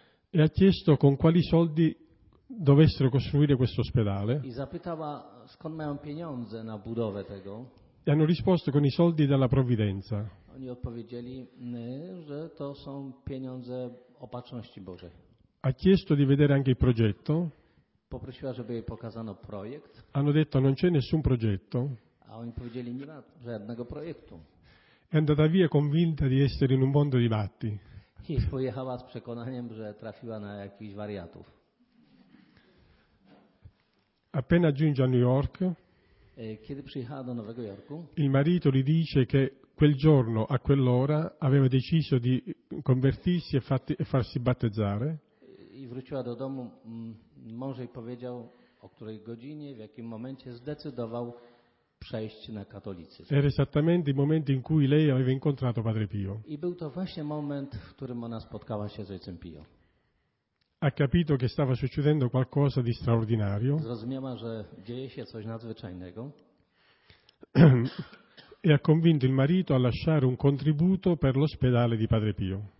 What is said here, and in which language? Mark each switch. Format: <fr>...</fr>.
<it>E ha chiesto con quali soldi dovessero costruire questo ospedale.</it> <pl>I zapytała, skąd mają pieniądze na budowę tego.</pl> <it>E hanno risposto con i soldi della provvidenza.</it> <pl>Oni odpowiedzieli, że to są pieniądze opatrzności Bożej.</pl> <it>Ha chiesto di vedere anche il progetto.</it> <pl>Poprosiła, żeby jej pokazano projekt.</pl> <it>Hanno detto, non c'è nessun progetto.</it> <pl>A oni powiedzieli, nie ma żadnego projektu.</pl> <it>È andata via convinta di essere in un mondo di matti.</it> <pl>I pojechała z przekonaniem, że trafiła na jakichś wariatów.</pl> <it>Appena giunge a New York,</it> <pl>kiedy przyjechała do Nowego Jorku,</pl> <it>il marito gli dice che quel giorno, a quell'ora, aveva deciso di convertirsi e farsi battezzare.</it> <pl>I wróciła do domu, mąż jej powiedział, o której godzinie, w jakim momencie zdecydował przejść na katolicyzm.</pl> <it>Era esattamente il momento in cui lei aveva incontrato Padre Pio.</it> <pl>I był to właśnie moment, w którym ona spotkała się z Ojcem Pio.</pl> <it>Ha capito che stava succedendo qualcosa di straordinario.</it> <pl>Zrozumiała, że dzieje się coś nadzwyczajnego.</pl> <it>E ha convinto il marito a lasciare un contributo per l'ospedale di Padre Pio.</it>